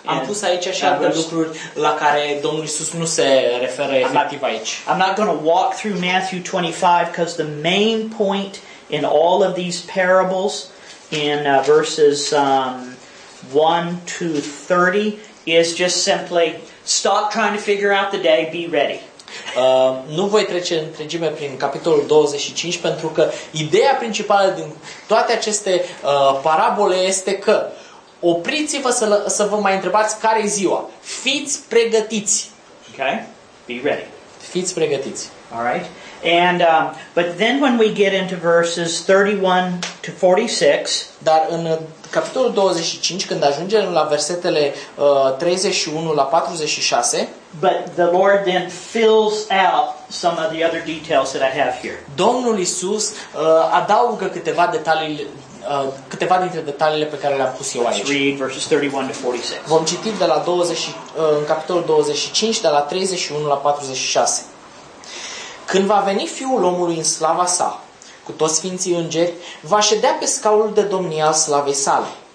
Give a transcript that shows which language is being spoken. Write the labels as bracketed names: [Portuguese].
[Romanian] Am pus aici așa de lucruri la care Domnul Iisus nu se referă efectiv aici. [English] I'm not going to walk through Matthew 25 because the main point in all of these parables in verses 1 to 30 is just simply stop trying to figure out the day, be ready. [Romanian] Nu voi trece întregime prin capitolul 25 pentru că ideea principală din toate aceste parabole este că opriți-vă să vă mai întrebați care e ziua. Fiți pregătiți. [English] Okay? Be ready. [Romanian] Fiți pregătiți. [English] All right? And but then when we get into verses 31 to 46, [Romanian] dar în capitolul 25 când ajungem la versetele 31 la 46, [English] but the Lord then fills out some of the other details that I have here. [Romanian] Domnul Iisus adaugă câteva detalii câteva dintre detaliile pe care le-am pus eu aici. [English] Let's read verses 31 to 46. [Romanian] Vom citi de la 20 în capitolul 25 de la 31 la 46. Când va veni Fiul omului în slava sa, cu toți sfinții îngeri, va ședea pe scaunul de domnie al slavei sale.